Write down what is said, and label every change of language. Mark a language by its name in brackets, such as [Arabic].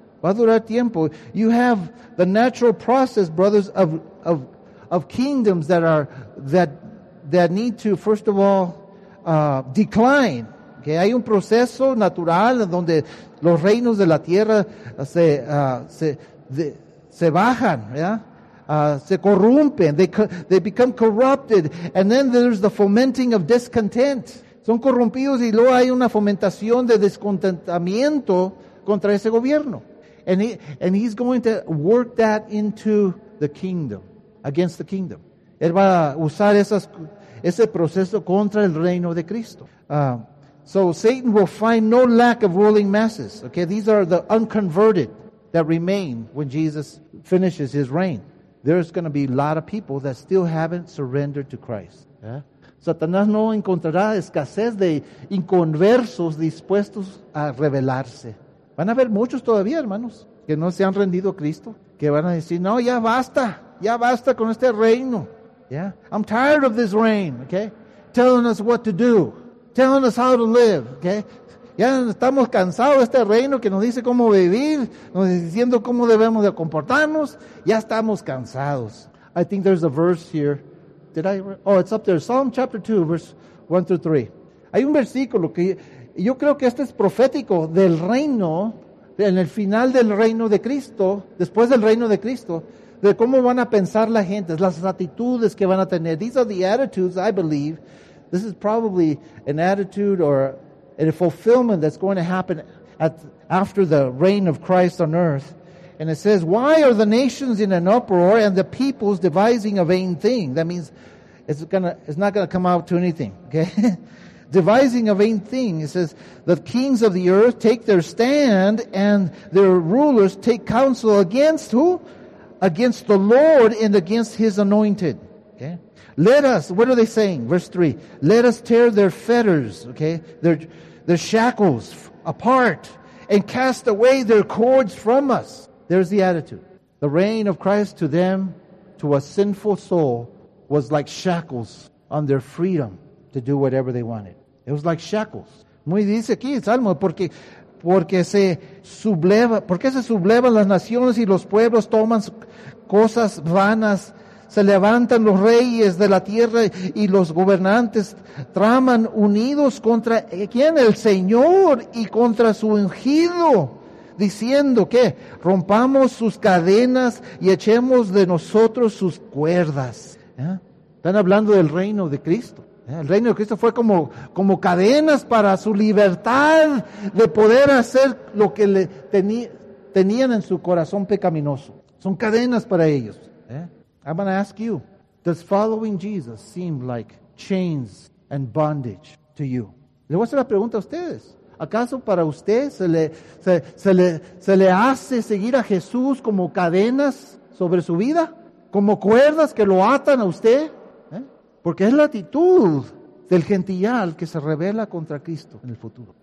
[Spanish] Va a durar tiempo. [English] You have the natural process, brothers, of kingdoms that need to, first of all, decline. Okay? [Spanish] Hay un proceso natural donde los reinos de la tierra se bajan, yeah? Se corrompen, [English] they become corrupted, and then there's the fomenting of discontent. [Spanish] Son corrompidos y luego hay una fomentación de descontentamiento contra ese gobierno. [English] And he's going to work that into the kingdom, against the kingdom. [Spanish] Él va a usar ese proceso contra el reino de Cristo. [English] So Satan will find no lack of ruling masses. Okay, these are the unconverted that remain when Jesus finishes his reign. There's going to be a lot of people that still haven't surrendered to Christ. Yeah. [Spanish] Satanás no encontrará escasez de inconversos dispuestos a rebelarse. Van a haber muchos todavía, hermanos, que no se han rendido a Cristo, que van a decir, no, ya basta con este reino. [English] Yeah, I'm tired of this reign, okay, telling us what to do. Telling us how to live, okay? [Spanish] Ya estamos cansados de este reino que nos dice cómo vivir, nos diciendo cómo debemos de comportarnos. Ya estamos cansados. [English] I think there's a verse here. It's up there. Psalm chapter 2, verse 1 through 3. [Spanish] Hay un versículo que yo creo que este es profético del reino, en el final del reino de Cristo, después del reino de Cristo, de cómo van a pensar la gente, las actitudes que van a tener. [English] These are the attitudes, I believe. This is probably an attitude or a fulfillment that's going to happen after the reign of Christ on earth. And it says, why are the nations in an uproar and the peoples devising a vain thing? That means it's not going to come out to anything. Okay, devising a vain thing. It says, the kings of the earth take their stand and their rulers take counsel against who? Against the Lord and against his anointed. Okay. Let us, what are they saying? Verse 3. Let us tear their fetters, okay? Their shackles apart and cast away their cords from us. There's the attitude. The reign of Christ to them, to a sinful soul, was like shackles on their freedom to do whatever they wanted. It was like shackles. [Spanish] Muy dice aquí, Salmo, porque se sublevan las naciones y los pueblos toman cosas vanas. Se levantan los reyes de la tierra y los gobernantes traman unidos contra ¿quién? El Señor y contra su ungido, diciendo que rompamos sus cadenas y echemos de nosotros sus cuerdas. ¿Eh? Están hablando del reino de Cristo. ¿Eh? El reino de Cristo fue como cadenas para su libertad de poder hacer lo que tenían en su corazón pecaminoso. Son cadenas para ellos. [English] I'm going to ask you, does following Jesus seem like chains and bondage to you? [Spanish] Le voy a hacer la pregunta a ustedes. ¿Acaso para usted se le hace seguir a Jesús como cadenas sobre su vida? ¿Como cuerdas que lo atan a usted? ¿Eh? Porque es la actitud del gentil que se rebela contra Cristo en el futuro.